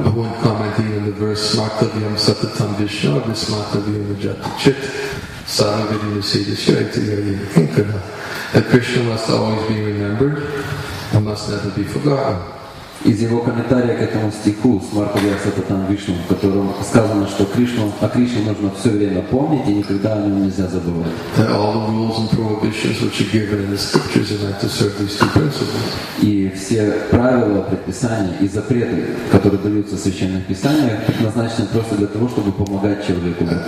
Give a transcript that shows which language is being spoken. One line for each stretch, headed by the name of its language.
English: I won't comment even the verse
Sanskrit: Smartavyam Satatam Vishnu, Smartavyam Vijata Chit, Sarangadi Nisida Shaitanya Kinkana.
English: That Krishna must always be remembered. He must never be forgotten.
Russian: Из его комментария к этому стиху
Sanskrit: Смартавья Сататан Вишну,
Russian: в котором сказано, что о Кришне нужно все время помнить и никогда о нем нельзя забывать.
English: All the rules and prohibitions which are given in the scriptures are meant to serve these two principles.
Russian: И все правила, предписания и запреты, которые даются в священных писаниях, предназначены просто для того, чтобы помогать человеку.